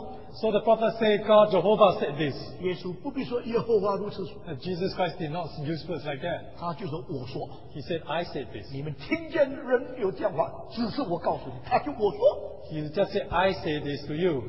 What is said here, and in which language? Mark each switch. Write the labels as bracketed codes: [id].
[en] so the prophets say, God, Jehovah said this. [zh] 耶稣不必说, [en] and Jesus Christ did not use words like that. [zh] 他就说, [en] he said, I said this. [zh] 你们听见人有这样话, 只是我告诉你, 他就我说, [en] he just said, I say this to you.